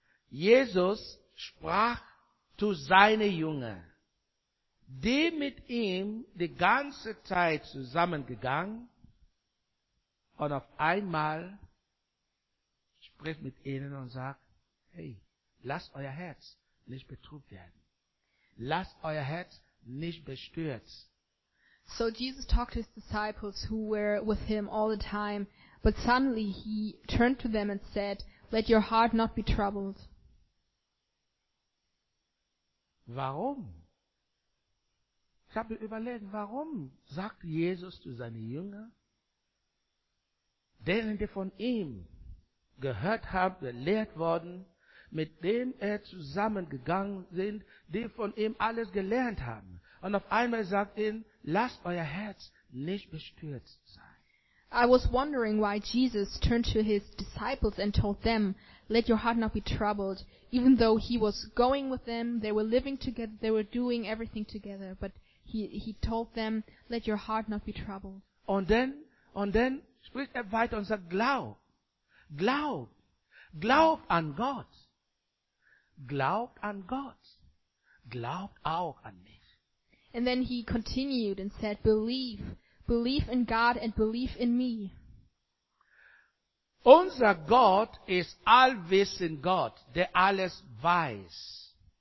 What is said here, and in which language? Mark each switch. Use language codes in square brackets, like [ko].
[de] Jesus sprach zu seinen Jüngern, die mit ihm die ganze Zeit zusammengegangen und auf einmal spricht mit ihnen und sagt, hey, lasst euer Herz nicht betrübt werden. Lasst euer Herz nicht bestürzt. [en] So Jesus talked to his disciples who were with him all the time, but suddenly he turned to them and said, let your heart not be troubled. [de] Warum? Ich habe überlegt, warum sagt Jesus zu seinen Jüngern, denen die von ihm gehört haben, gelehrt worden, mit dem er zusammengegangen sind, die von ihm alles gelernt haben. Und auf einmal sagt ihn, lasst euer Herz nicht bestürzt sein. [en] I was wondering why Jesus turned to his disciples and told them, let your heart not be troubled, even though he was going with them, they were living together, they were doing everything together, but he told them, let your heart not be troubled. [de] Und dann spricht er weiter und sagt, glaubt auch an mich. [en] And then he continued and said, believe in God and believe in me. [de] Unser Gott ist allwissend Gott, der alles weiß.